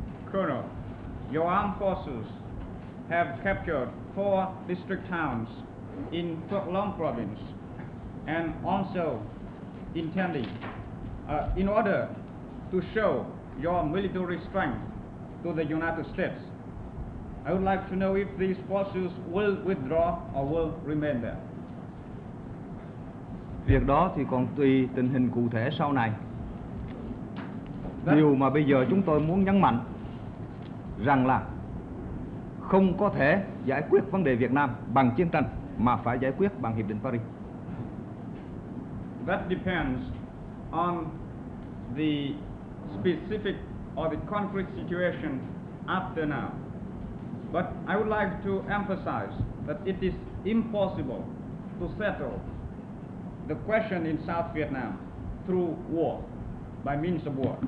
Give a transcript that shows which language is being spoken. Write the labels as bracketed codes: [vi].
[en] Colonel, your armed forces have captured four district towns in Phuoc Long province, and also intending, in order to show your military strength to the United States, I would like to know if these forces will withdraw or will remain there. [vi] Việc đó thì còn tùy tình hình cụ thể sau này. Điều mà bây giờ chúng tôi muốn nhấn mạnh rằng là không có thể giải quyết vấn đề Việt Nam bằng chiến tranh, mà phải giải quyết bằng Hiệp định Paris. [en] That depends on the specific or the concrete situation after now. But I would like to emphasize that it is impossible to settle the question in South Vietnam through war, by means of war.